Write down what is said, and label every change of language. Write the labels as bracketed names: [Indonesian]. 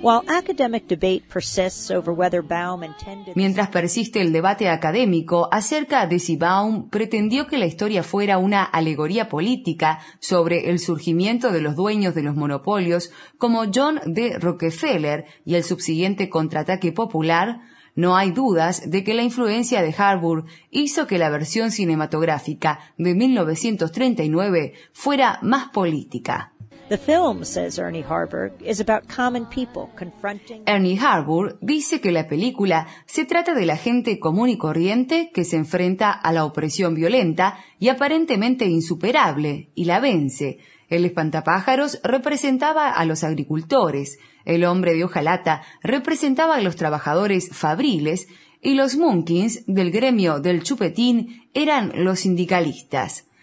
[English] While academic debate persists over whether Baum intended. [Spanish] Mientras persiste el debate académico acerca de si Baum pretendió que la historia fuera una alegoría política sobre el surgimiento de los dueños de los monopolios como John D. Rockefeller y el subsiguiente contraataque popular, no hay dudas de que la influencia de Harbour hizo que la versión cinematográfica de 1939 fuera más política. [English] The film, says Ernie Harbour, is about common people confronting. [Spanish] Ernie Harbour dice que la película se trata de la gente común y corriente que se enfrenta a la opresión violenta y aparentemente insuperable y la vence. El espantapájaros representaba a los agricultores, el hombre de hojalata representaba a los trabajadores fabriles y los munkins del gremio del chupetín eran los sindicalistas.